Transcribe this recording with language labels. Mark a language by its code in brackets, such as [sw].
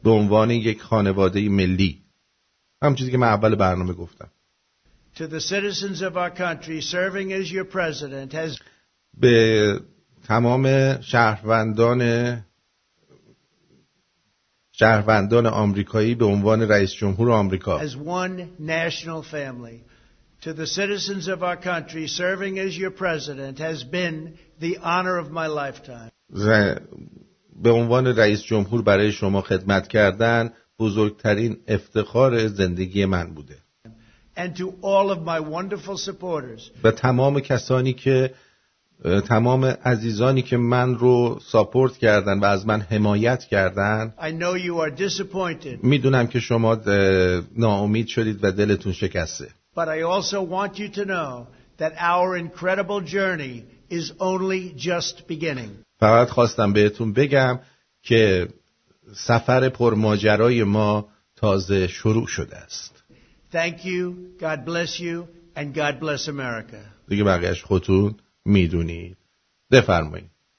[fa] به عنوان یک خانواده ملی همون چیزی که من اول برنامه گفتم [en] to the citizens of our country serving as your president has [fa] به تمام شهروندان آمریکایی به عنوان رئیس جمهور آمریکا [en] as one national family to the citizens of our country serving as your president has been the honor of my lifetime [fa] به عنوان رئیس جمهور برای شما خدمت کردن بزرگترین افتخار زندگی من بوده [en] And to all of my wonderful supporters. [fa] و تمام کسانی که تمام عزیزانی که من رو ساپورت کردن و از من حمایت کردن. [en] I know you are disappointed. [fa] میدونم که شما ناامید شدید و دلتون شکسته. [en] But I also want you to know that our incredible journey is only just beginning. [fa] فقط خواستم بهتون بگم که سفر پرماجرای ما تازه شروع شده است. [en] Thank you. God bless you and God bless America. [fa] دیگه بقیه‌اش خودتون میدونید. بفرمایید.